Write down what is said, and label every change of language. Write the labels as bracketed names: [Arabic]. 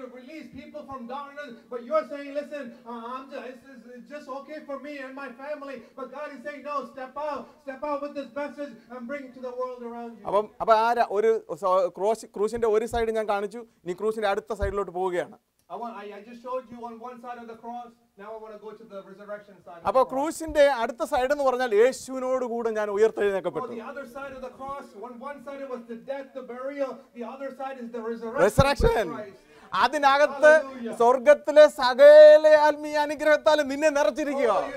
[English] These people from darkness, but you're saying, listen, it's just okay for me and my family, but God is saying, no, step out with this message and bring it to the world around you. [Malayalam] അപ്പോൾ ആ ഒരു ക്രൂശിന്റെ ഒരു side ഞാൻ കാണിച്ചു, ഇനി ക്രൂശിന്റെ അടുത്ത സൈഡിലോട്ട് പോവുകയാണ്. [English] I just showed you on one side of the cross. Now I want to go to the resurrection side. [Malayalam] അപ്പോൾ ക്രൂശിന്റെ അടുത്ത സൈഡ് എന്ന് പറഞ്ഞാൽ യേശുവിനോട് കൂടെ ഞാൻ ഉയർത്തെഴുന്നേൽക്കപ്പെട്ടു. [English] The other side of the cross, one side was the death, the burial, the other side is the resurrection. [Malayalam] അതിനകത്ത് സ്വർഗത്തിലെ സകല ആത്മീയ അനുഗ്രഹത്താലും നിന്നെ നിറച്ചിരിക്കുക.